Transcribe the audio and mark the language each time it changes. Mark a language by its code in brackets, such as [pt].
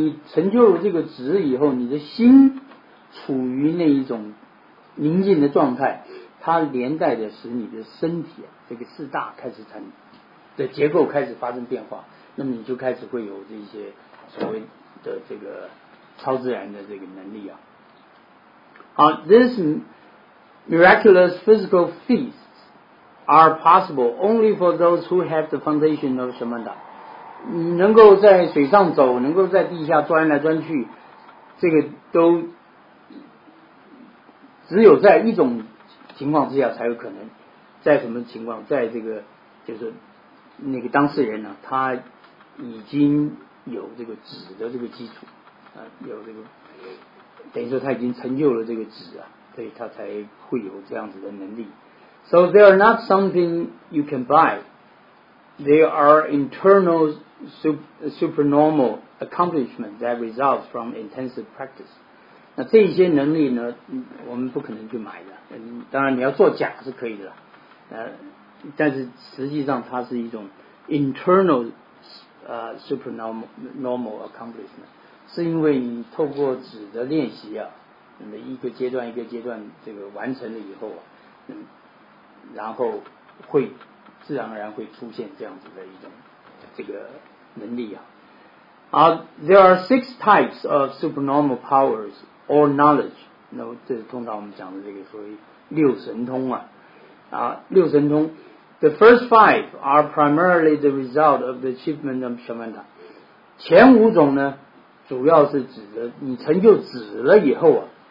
[zh] 成就了这个职以后，你的心处于那一种宁静的状态，它连带着使你的身体这个四大开始产的结构开始发生变化，那么你就开始会有这些所谓的这个超自然的这个能力啊。 [en] 好 ，this miraculous physical feats are possible only for those who have the foundation of samatha. [zh] 能够在水上走，能够在地下钻来钻去，这个都只有在一种情况之下才有可能。在什么情况？在这个就是那个当事人呢，他已经有这个止的这个基础啊，有这个等于说他已经成就了这个止啊。所以他才会有这样子的能力。 [en] So they are not something you can buy. They are internal supernormal accomplishments that result from intensive practice. [zh] 那这些能力呢，我们不可能去买的。当然你要做假是可以的，但是实际上它是一种 [en] internal supernormal accomplishment， [zh] 是因为你透过止的练习啊，那么一个阶段一个阶段这个完成了以后啊，然后会自然而然会出现这样子的一种这个能力啊。 [en] There are six types of supernormal powers or knowledge. [zh] 那这是通常我们讲的这个所谓六神通啊。 [en] 六神通 ，the first five are primarily the result of the achievement of samatha. [zh] 前五种呢，主要是指的你成就止了以后啊。